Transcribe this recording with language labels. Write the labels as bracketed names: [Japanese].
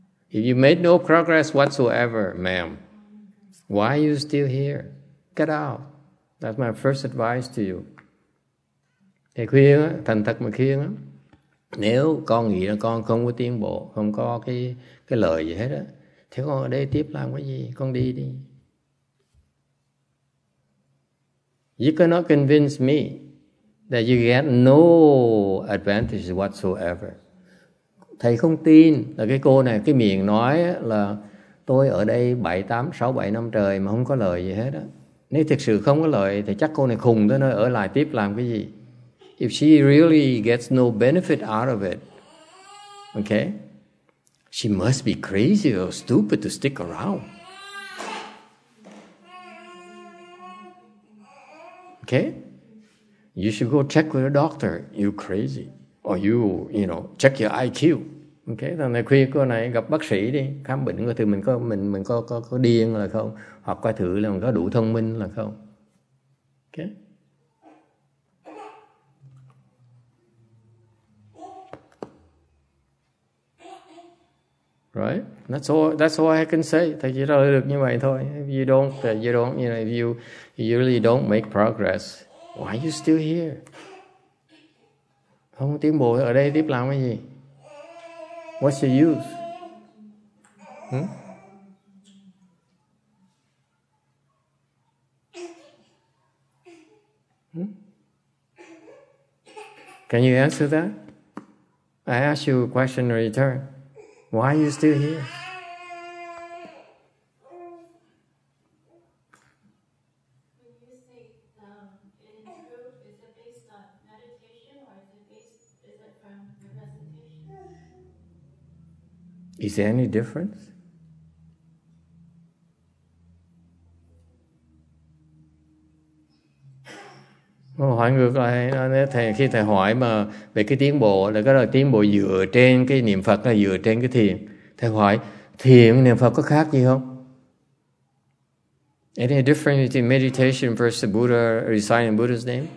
[English] If you made no progress whatsoever, ma'am, why are you still here? Get out. That's my first advice to you. [Vietnamese] Thầy khuyên, thành thật mà khuyên, nếu con nghĩ là con không có tiến bộ, không có cái lợi gì hết, thì con ở đây tiếp làm cái gì? Con đi đi. [English] You cannot convince me that you get no advantage whatsoever. [Vietnamese] Thầy không tin là cái cô này, cái miệng nói là tôi ở đây 7-8, 6-7 năm trời mà không có lời gì hết á. Nếu thực sự không có lời thì chắc cô này khùng tới nơi ở lại tiếp làm cái gì. [English] If she really gets no benefit out of it, okay, she must be crazy or stupid to stick around. Okay? You should go check with a doctor. You crazy. Or you know, check your IQ. Okay? [Vietnamese] Thằng này khuyên cô này gặp bác sĩ đi, khám bệnh coi thử mình có điên là không, hoặc coi thử là mình có đủ thông minh là không. Okay? [English] Right? That's all I can say. [Vietnamese] Thầy chỉ trả lời được như vậy thôi. [English] If you really don't make progress, why are you still here? [Vietnamese] Không tiến bộ ở đây tiếp làm cái gì? [English] What's the use? Can you answer that? I ask you a question in return. Why are you still here? Is there any difference? [Vietnamese] Hỏi ngược lại, khi thầy hỏi mà về cái tiến bộ, là cái đó là tiến bộ dựa trên cái niệm Phật hay dựa trên cái thiền? Thầy hỏi, thiền niệm Phật có khác gì không? [English] Any difference between meditation versus the Buddha reciting Buddha's name?